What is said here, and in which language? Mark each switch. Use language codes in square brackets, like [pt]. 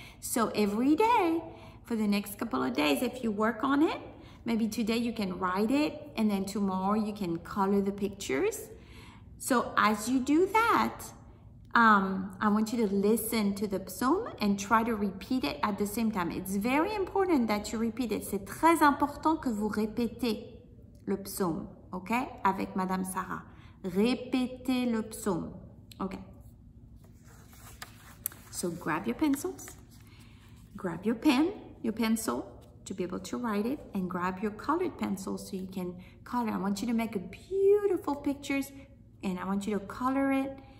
[en] So every day for the next couple of days, if you work on it, maybe today you can write it and then tomorrow you can color the pictures. So as you do that, I want you to listen to the psaume and try to repeat it at the same time. It's very important that you repeat it. [fr] C'est très important que vous répétez le psaume, okay, avec Madame Sarah. Répétez le psaume, okay. [en] So grab your pencils, grab your pen, your pencil, to be able to write it, and grab your colored pencil so you can color. I want you to make a beautiful pictures, and I want you to color it.